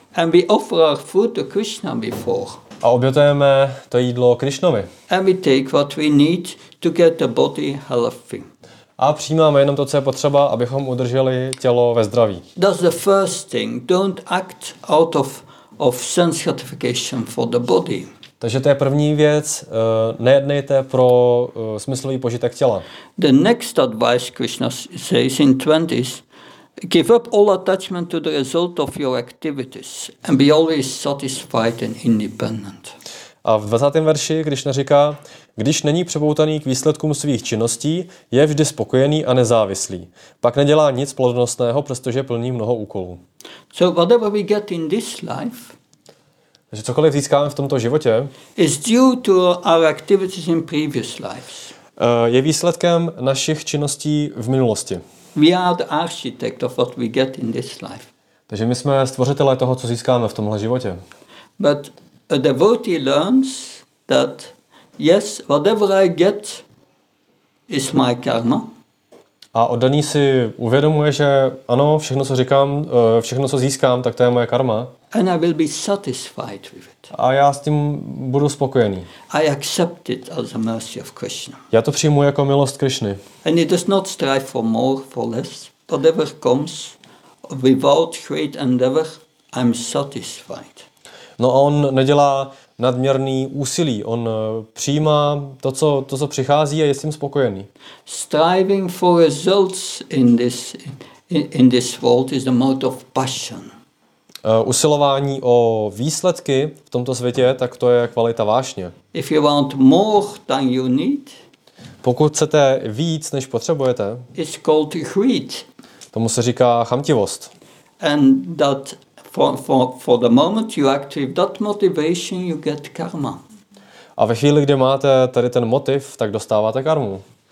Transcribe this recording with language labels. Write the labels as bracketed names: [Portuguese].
[English] And we offer our food to Krishna before. [Czech] A obětujeme to jídlo Krišnovi. [English] And we take what we need to get the body healthy. [Czech] A přijímáme jenom to, co je potřeba, abychom udrželi tělo ve zdraví. [English] That's the first thing. Don't act out of sense gratification for the body. [Czech] Takže to je první věc, nejednejte pro smyslový požitek těla. [English] The next advice Krishna says in 20s, give up all attachment to the result of your activities and be always satisfied and independent. [Czech] A v 20. verši Krišna říká, když není připoutaný k výsledkům svých činností, je vždy spokojený a nezávislý. Pak nedělá nic plodnostného, přestože plní mnoho úkolů. [English] So whatever we get in this life, [Czech] takže cokoliv získáme v tomto životě, [English] is due to our activities in previous lives. [Czech] Je výsledkem našich činností v minulosti. [English] We are the architect of what we get in this life. [Czech] Takže my jsme stvořitelé toho, co získáme v tomhle životě. [English] But a devotee learns that yes, whatever I get is my karma. [Czech] A oddaný si uvědomuje, že ano, všechno, co říkám, všechno, co získám, tak to je moje karma. [English] And I will be satisfied with it. [Czech] A já s tím budu spokojený. [English] I accept it as a mercy of Krishna. [Czech] Já to přijmu jako milost Krishny. [English] And it does not strive for more, for less. Whatever comes, without great endeavor, I'm satisfied. [Czech] No a on nedělá nadměrný úsilí. On přijímá to, co přichází a je s tím spokojený. [English] Striving for results in this world is the mode of passion. [Czech] Usilování o výsledky v tomto světě, tak to je kvalita vášně. [English] If you want more than you need, [Czech] pokud chcete víc, než potřebujete, [English] it's called greed. [Czech] Tomu se říká chamtivost. [English] And that for the moment you act with that motivation, you get karma. [Czech] A ve chvíli, kdy máte tady ten motiv, tak dostáváte karmu.